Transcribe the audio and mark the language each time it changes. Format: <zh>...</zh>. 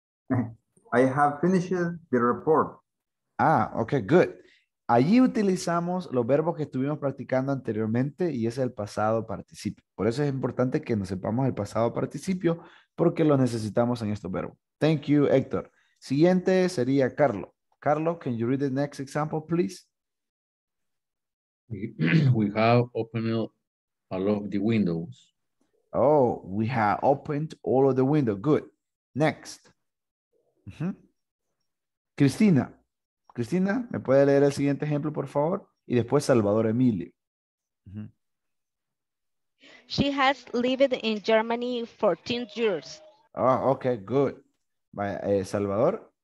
<en>I have finished the report. Ah, okay, good.</en> <es>Allí utilizamos los verbos que estuvimos practicando anteriormente y es el pasado participio. Por eso es importante que nos sepamos el pasado participio porque lo necesitamos en estos verbos.</es> <en>Thank you,</en> <es>Héctor. Siguiente sería Carlos.</es> <en>Carlos, can you read the next example, please? We have opened all of the windows. Oh, we have opened all of the windows. Good. Next. Uh-huh. Cristina.</en> <es>Cristina, ¿me puede leer el siguiente ejemplo, por favor? Y después Salvador Emilio. Uh-huh.</es> <en>She has lived in Germany 14 years. Oh, okay, good. Salvador.</en>